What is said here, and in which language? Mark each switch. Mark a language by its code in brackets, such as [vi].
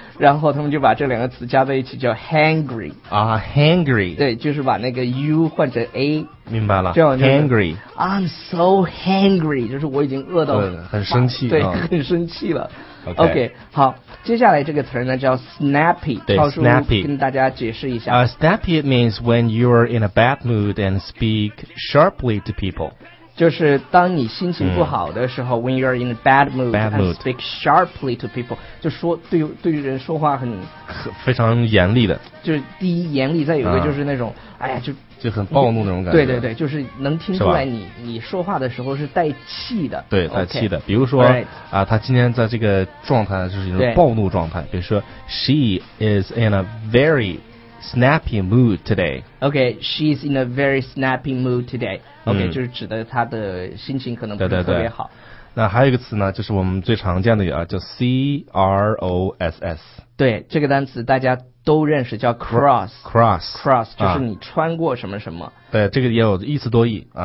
[zh] 然后他们就把这两个词加在一起叫 hangry。啊 hangry，对，就是把那个 u 换成 a。明白了，叫 hangry。 [en] I'm so hangry， [zh] 就是我已经饿到很生气。对、很生气了。 [en] okay. [zh] OK， 好，接下来这个词呢叫 snappy。对， snappy 跟大家解释一下。 [en] Snappy means when you're in a bad mood and speak sharply to people。 [zh] 就是当你心情不好的时候、 [en] when you're in a bad mood and speak sharply to people， [zh] 就说对于人说话很非常严厉的，就是第一严厉，再有一个就是那种、哎呀就很暴怒那种感觉。对对对，就是能听出来你说话的时候是带气的。对，带气的。比如说、 [en] right. [zh] 啊，他今天在这个状态就是一种暴怒状态，比如说 [en] she is in a very snappy mood today。 OK， she's in a very snappy mood today。 [zh] OK、就是指的她的心情可能不是特别好。对对对。那还有一个词呢，就是我们最常见的啊，叫 cross。对，这个单词大家都认识，叫 cross、啊、就是你穿过什么什么。对，这个也有意思多义、啊、